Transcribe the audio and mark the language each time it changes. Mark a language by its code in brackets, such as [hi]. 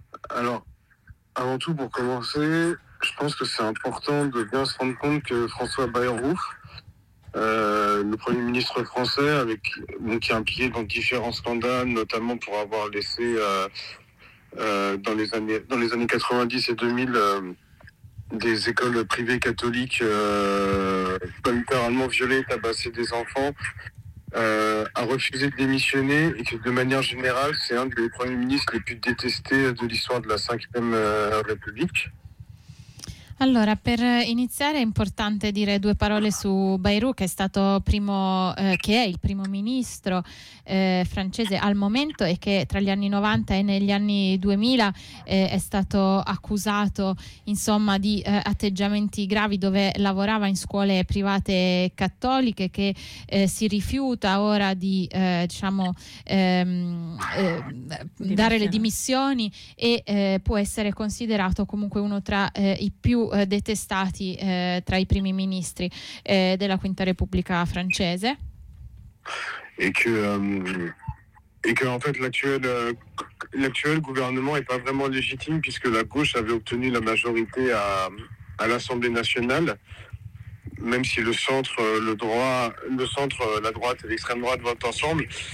[fr] Alors, avant tout, pour commencer, je pense que c'est important de bien se rendre compte que François Bayrou, le Premier ministre français, qui est impliqué dans différents scandales, notamment pour avoir laissé dans les années 90 et 2000 des écoles privées catholiques littéralement violées, tabassées des enfants, a refusé de démissionner, et que de manière générale, c'est un des premiers ministres les plus détestés de l'histoire de la Ve République. [it] Allora, per iniziare è importante dire due parole su Bayrou, che è il primo ministro francese al momento e che tra gli anni 90 e negli anni 2000 è stato accusato, insomma, di atteggiamenti gravi dove lavorava in scuole private cattoliche, che si rifiuta ora di dare le dimissioni e può essere considerato comunque uno tra i più detestati tra i primi ministri della Quinta Repubblica francese. [fr] Et que en fait l'actuel gouvernement est pas vraiment légitime puisque la gauche avait obtenu la majorité à l'Assemblée nationale, même si la droite et l'extrême droite votent ensemble.